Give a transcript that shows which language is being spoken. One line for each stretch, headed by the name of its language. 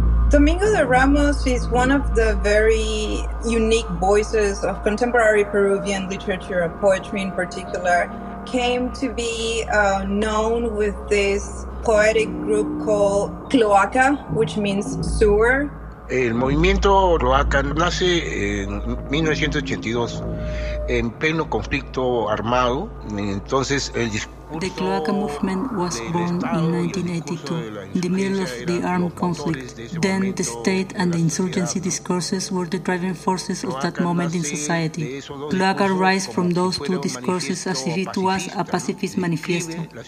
English: Domingo de Ramos is one of the very unique voices of contemporary Peruvian literature and poetry in particular. Came to be known with this poetic group called Cloaca, which means sewer.
Spanish: El movimiento Cloaca nace en 1982 en pleno conflicto armado. Entonces el
English: The Cloaca movement was born in 1982, in the middle of the armed conflict. Then the state and the insurgency discourses were the driving forces of that moment in society. Cloaca rise from those two discourses as if it was a pacifist manifesto.